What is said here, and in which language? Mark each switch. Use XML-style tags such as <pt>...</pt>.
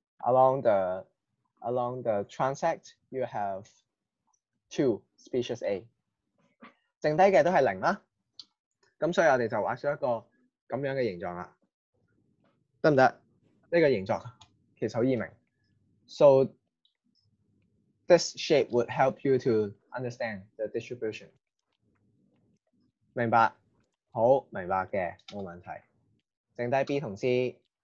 <en>Along the transect, you have two species A.</en> <yue>剩低嘅都係零啦。咁所以我哋就畫出一個咁樣嘅形狀啦。得唔得？呢個形狀其實好易明。</yue> <en>So this shape would help you to understand the distribution.</en> <yue>明白？好，明白嘅，冇問題。剩低 B 同 C。</yue>